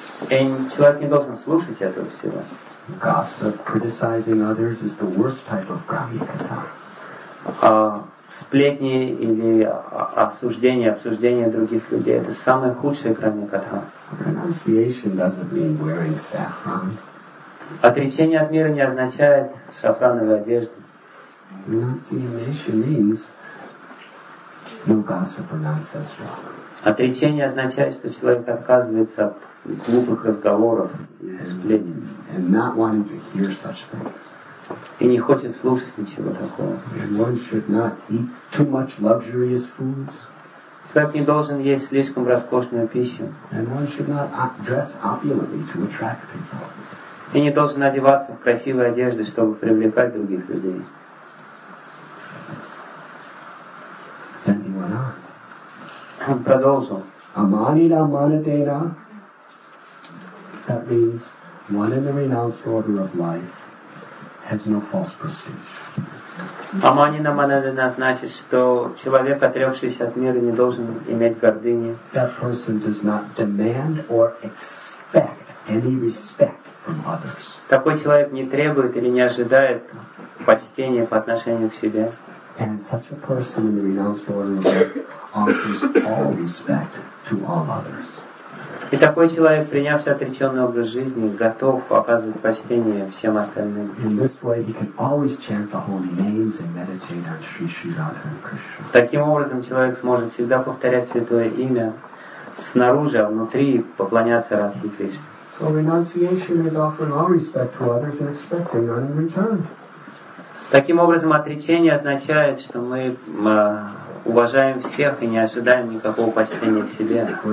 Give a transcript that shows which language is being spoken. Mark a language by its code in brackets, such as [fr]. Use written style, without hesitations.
[ru] И человек не должен слушать этого всего. [en] Gossip, criticizing others is the worst type of gramikata. [ru] Сплетни или обсуждение других людей — это самое худшее гramikata. [en] Renunciation doesn't mean wearing saffron. [ru] Отречение от мира не означает шафрановой одежды. [en] Renunciation means no gossip or nonsense talk. [ru] Отречение означает, что человек отказывается от глупых разговоров, сплетен. [en] And not wanting to hear such things. [ru] И не хочет слушать ничего такого. [en] And one should not eat too much luxurious foods. [ru] Человек не должен есть слишком роскошную пищу. [en] And one should not dress opulently to attract people. [ru] И не должен одеваться в красивой одежде, чтобы привлекать других людей. Он продолжил. [sa] Аманида манатена. [en] That means one in the renounced order of life has no false prestige. [ru] Аманида манатена значит, что человек, отрекшийся от мира, не должен иметь гордыни. [en] That person does not demand or expect any respect from others. [ru] Такой человек не требует или не ожидает почтения по отношению к себе. [en] And such a person in the renounced order of life offers all respect to all others. [ru] И такой человек, принявший отреченный образ жизни, готов оказывать почтение всем остальным. [en] In this way, he can always chant the holy names and meditate on Sri Sri Radha and Krishna. [ru] Таким образом, человек сможет всегда повторять святое имя снаружи, а внутри поклоняться Радхе Кришне. [en] So renunciation is offering all respect to others and expecting none in return. [ru] Таким образом, отречение означает, что мы уважаем всех и не ожидаем никакого почтения к себе.